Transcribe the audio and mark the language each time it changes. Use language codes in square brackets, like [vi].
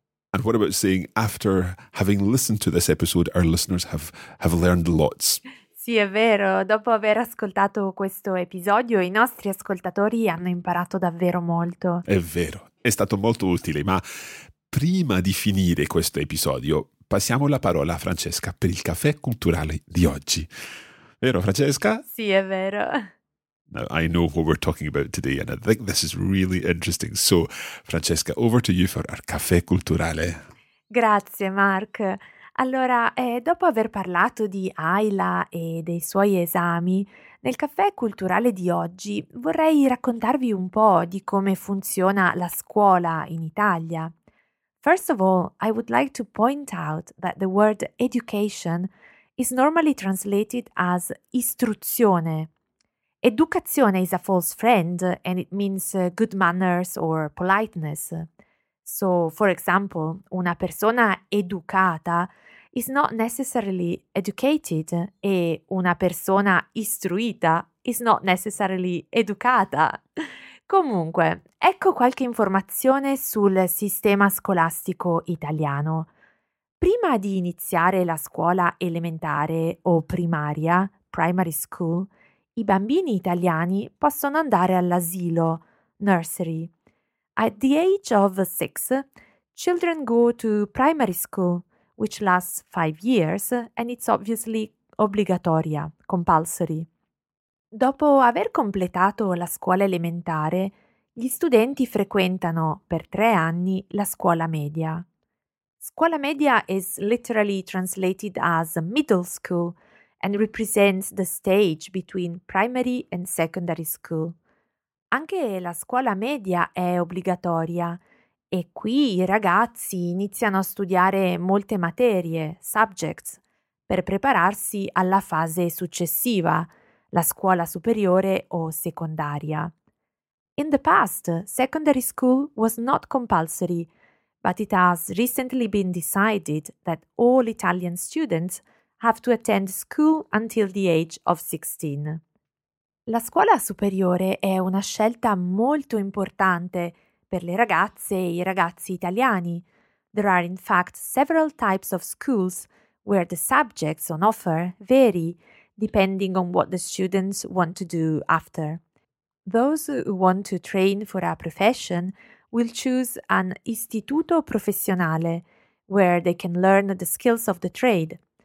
[en] And what about saying after having listened to this episode, our listeners have learned lots? [it] Sì, è vero. Dopo aver ascoltato questo episodio, i nostri ascoltatori hanno imparato davvero molto. È vero. È stato molto utile. Ma prima di finire questo episodio, passiamo la parola a Francesca per il caffè culturale di oggi. Vero, Francesca? Sì, è vero. [en] Now, I know what we're talking about today, and I think this is really interesting. So, Francesca, over to you for our caffè culturale. [it] Grazie, Mark. Allora, dopo aver parlato di Ayla e dei suoi esami, nel caffè culturale di oggi vorrei raccontarvi un po' di come funziona la scuola in Italia. [en] First of all, I would like to point out that the word education is normally translated as istruzione. Educazione is a false friend and it means good manners or politeness. So, for example, [it] una persona educata [en] is not necessarily educated [it] e una persona istruita [en] is not necessarily educata. [it] Comunque, ecco qualche informazione sul sistema scolastico italiano. Prima di iniziare la scuola elementare o primaria, [en] primary school, [it] i bambini italiani possono andare all'asilo, nursery. [en] At the age of 6, children go to primary school, which lasts 5 years, and it's obviously obbligatoria, compulsory. [it] Dopo aver completato la scuola elementare, gli studenti frequentano per 3 anni la scuola media. [en] Scuola media is literally translated as middle school and represents the stage between primary and secondary school. [it] Anche la scuola media è obbligatoria e qui i ragazzi iniziano a studiare molte materie, subjects, per prepararsi alla fase successiva, la scuola superiore o secondaria. [en] In the past, secondary school was not compulsory, but it has recently been decided that all Italian students have to attend school until the age of 16. [it] La scuola superiore è una scelta molto importante per le ragazze e i ragazzi italiani. [en] There are in fact several types of schools where the subjects on offer vary depending on what the students want to do after. Those who want to train for a profession will choose an istituto professionale where they can learn the skills of the trade.